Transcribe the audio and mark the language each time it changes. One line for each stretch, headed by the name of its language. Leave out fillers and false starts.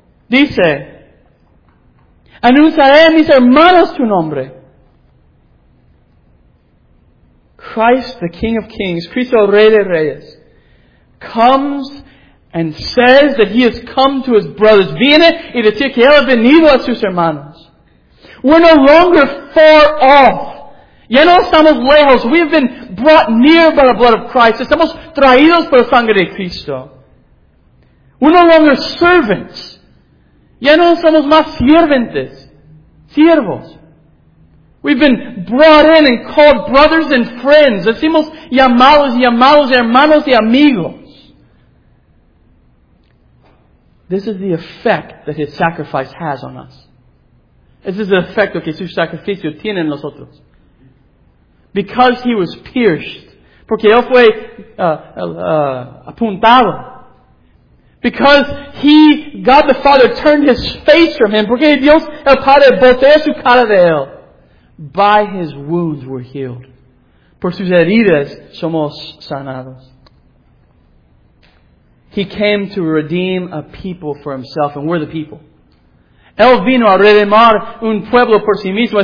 Spanish: Dice, anunciaré a mis hermanos tu nombre.
English: Christ, the King of Kings,
Spanish: Cristo, Rey de Reyes,
English: comes and says that He has come to His brothers.
Spanish: Viene y dice que Él ha venido a sus hermanos.
English: We're no longer far off.
Spanish: Ya no estamos lejos.
English: We have been brought near by the blood of Christ.
Spanish: Estamos traídos por la sangre de Cristo.
English: We're no longer servants.
Spanish: Ya no somos más sirventes, siervos.
English: We've been brought in and called brothers and friends.
Spanish: Decimos llamados y llamados hermanos y amigos.
English: This is the effect that His sacrifice has on us.
Spanish: Este es el efecto que su sacrificio tiene en nosotros.
English: Because He was pierced.
Spanish: Porque Él fue apuntado.
English: Because God the Father turned His face from Him.
Spanish: Porque Dios el Padre volteó su cara de Él.
English: By His wounds we're healed.
Spanish: Por sus heridas somos sanados.
English: He came to redeem a people for Himself. And we're the people.
Spanish: Él vino a redimir un pueblo por sí mismo.